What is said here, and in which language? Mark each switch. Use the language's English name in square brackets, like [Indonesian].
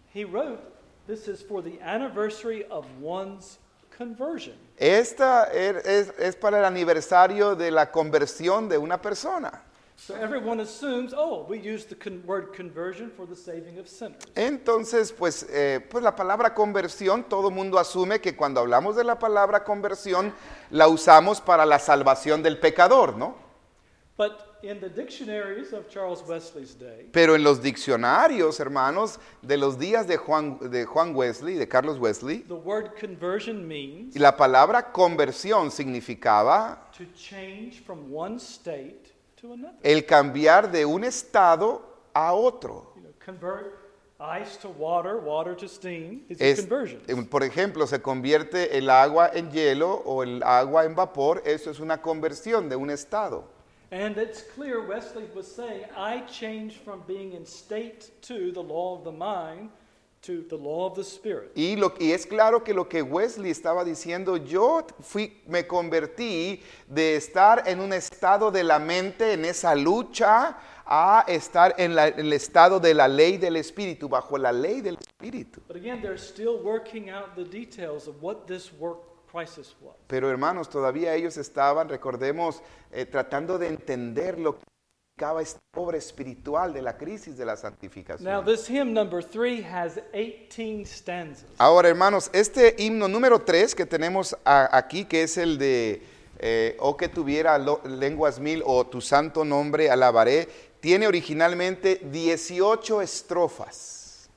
[English] He wrote, this is for the anniversary of one's conversion. [Spanish] Esta es para el aniversario de la conversión de una persona. [English] So everyone assumes, oh, we use the word conversion for the saving of sinners. [Spanish] Entonces, pues la palabra conversión, todo mundo asume que cuando hablamos de la palabra conversión, la usamos para la salvación del pecador, ¿no? [English] But in the dictionaries of Charles Wesley's day. [Spanish] Pero en los diccionarios, hermanos, de los días de Carlos Wesley. [English] The word conversion means. [Spanish] Y la palabra conversión significaba. [English] To change from one state. [Spanish] El cambiar de un estado a otro. [English] Convert ice to water, water to steam is a conversion. [Spanish] Por ejemplo, se convierte el agua en hielo o el agua en vapor. Eso es una conversión de un estado. [English] And it's clear Wesley was saying, I changed from being in state to the law of the mind to the law of the spirit. [Spanish] Y es claro que lo que Wesley estaba diciendo, me convertí de estar en un estado de la mente, en esa lucha, a estar en el estado de la ley del espíritu, bajo la ley del espíritu. [English] But again, they're still working out the details of what this work crisis was. [Spanish] Pero hermanos, todavía ellos estaban, recordemos, tratando de entender lo que significaba esta obra espiritual de la crisis de la santificación. [English] Now, this hymn number 3 has 18 stanzas. [Spanish] Ahora, hermanos, este himno número 3 que tenemos aquí, que es el de que tuviera lenguas mil o tu santo nombre alabaré, tiene originalmente 18 estrofas.